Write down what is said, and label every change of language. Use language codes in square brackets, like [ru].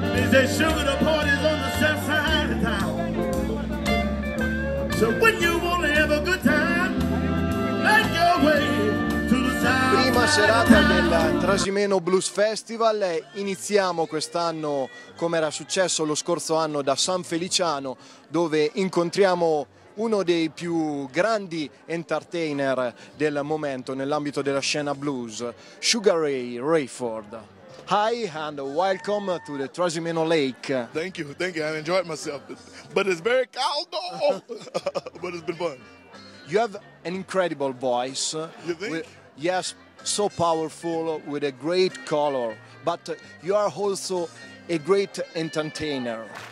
[en] They say sugar, the party's on the south side of town. So when you want to have a good time, make your way. [it] Prima serata del Trasimeno Blues Festival, iniziamo quest'anno come era successo lo scorso anno da San Feliciano, dove incontriamo uno dei più grandi entertainer del momento nell'ambito della scena blues, Sugar Ray Rayford. [en] Hi and welcome to the Trasimeno Lake. Thank you, I enjoyed myself, but it's very cold, but it's been fun. You have an incredible voice. You think? Yes, so powerful with a great color, but you are also a great entertainer.